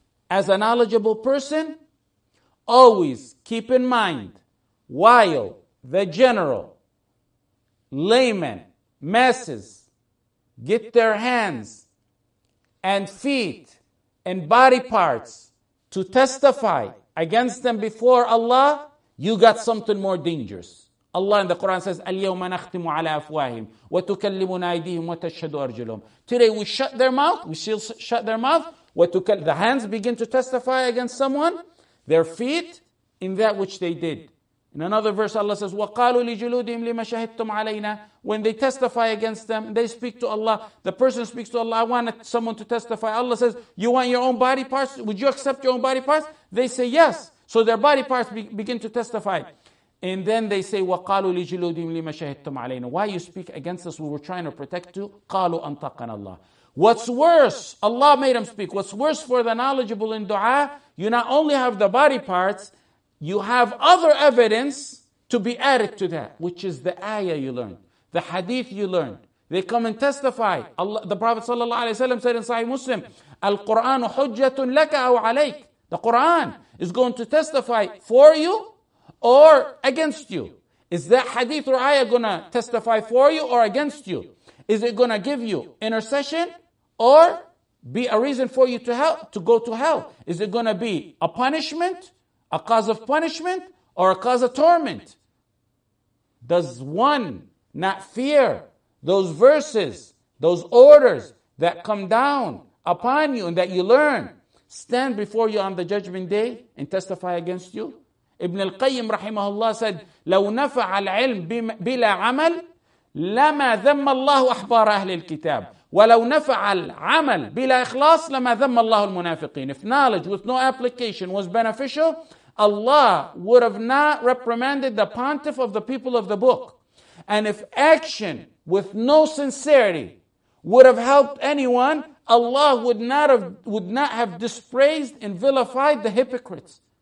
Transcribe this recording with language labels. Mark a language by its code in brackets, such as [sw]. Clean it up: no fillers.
[en] As a knowledgeable person, always keep in mind, while the general, layman, masses get their hands and feet and body parts to testify against them before Allah, you got something more dangerous. Allah in the Quran says, [ar] اليوم نختم على أفواههم وتكلمون أيديهم وتشهد أرجلهم. [en] Today we shut their mouth, we still shut their mouth. The hands begin to testify against someone, their feet in that which they did. In another verse, Allah says, [ar] وَقَالُوا لِجُلُودِهِمْ لِمَ شَهِدْتُمْ عَلَيْنَا. [en] When they testify against them, they speak to Allah. The person speaks to Allah, I want someone to testify. Allah says, you want your own body parts? Would you accept your own body parts? They say, yes. So their body parts begin to testify. And then they say, [ar] وَقَالُوا لِجُلُودِهِمْ لِمَ شَهِدْتُمْ عَلَيْنَا. [en] Why you speak against us? We were trying to protect you. [ar] قَالُوا أَنطَقَنَا اللَّهُ. [en] What's worse, Allah made him speak. What's worse for the knowledgeable in dua, you not only have the body parts, you have other evidence to be added to that, which is the ayah you learned, the hadith you learned. They come and testify. Allah, the Prophet sallallahu alaihi wasallam said in Sahih Muslim, [ar] Al-Quran hujjatun laka aw alayk. [en] The Quran is going to testify for you or against you. Is that hadith or ayah going to testify for you or against you? Is it going to give you intercession or be a reason for you to go to hell? Is it going to be a punishment, a cause of punishment, or a cause of torment? Does one not fear those verses, those orders that come down upon you and that you learn stand before you on the judgment day and testify against you? [ar] Ibn al-Qayyim rahimahullah said, لو نفع العلم بلا عمل لما ذم الله أحبار أهل الكتاب ولو نفع العمل بلا إخلاص لما ذم الله المنافقين. [en] If knowledge with no application was beneficial, Allah would have not reprimanded the pontiff of the people of the book. And if action with no sincerity would have helped anyone, Allah would not have dispraised and vilified the hypocrites.